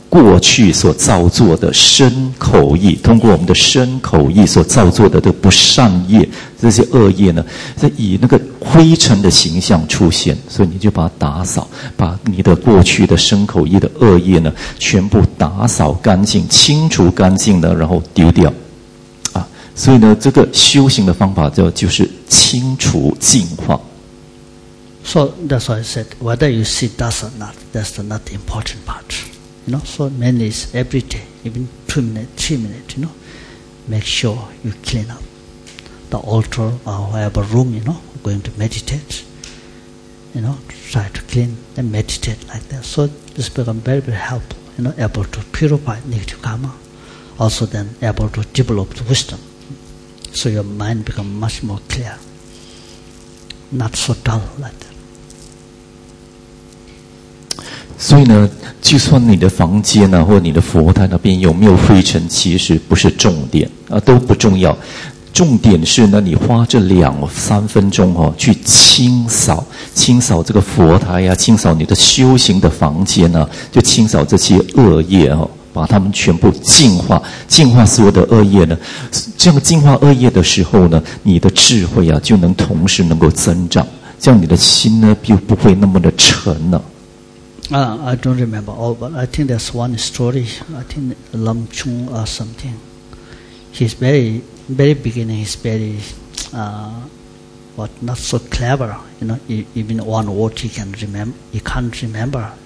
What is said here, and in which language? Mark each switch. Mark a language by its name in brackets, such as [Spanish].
[Chinese] 过去所造作的身口意，通过我们的身口意所造作的这不善业，这些恶业呢，是以那个灰尘的形象出现，所以你就把它打扫，把你的过去的身口意的恶业呢，全部打扫干净、清除干净呢，然后丢掉。啊，所以呢，这个修行的方法就是清除净化。 [English] So that's why I said whether you see dust or not, that's not the important part. You know, so mainly it's every day, even 2 minutes, 3 minutes, you know, make sure you clean up the altar or whatever room, you know, going to meditate, you know, try to clean and meditate like that. So this becomes very, very helpful, you know, able to purify negative karma, also then able to develop the wisdom. So your mind becomes much more clear, not so dull like that. [Chinese] 所以呢，就算你的房间呢、啊，或你的佛台那边有没有灰尘，其实不是重点啊，都不重要。重点是呢，你花这2-3分钟哦，去清扫这个佛台呀、啊，清扫你的修行的房间呢、啊，就清扫这些恶业哦，把他们全部净化，净化所有的恶业呢，这样净化恶业的时候呢，你的智慧啊就能同时能够增长，这样你的心呢就不会那么的沉了。 [English] I don't remember all, but I think there's one story. I think Lam Chung or something. He's very, very beginning. He's very, but not so clever. You know, even one word he can remember, he can't remember.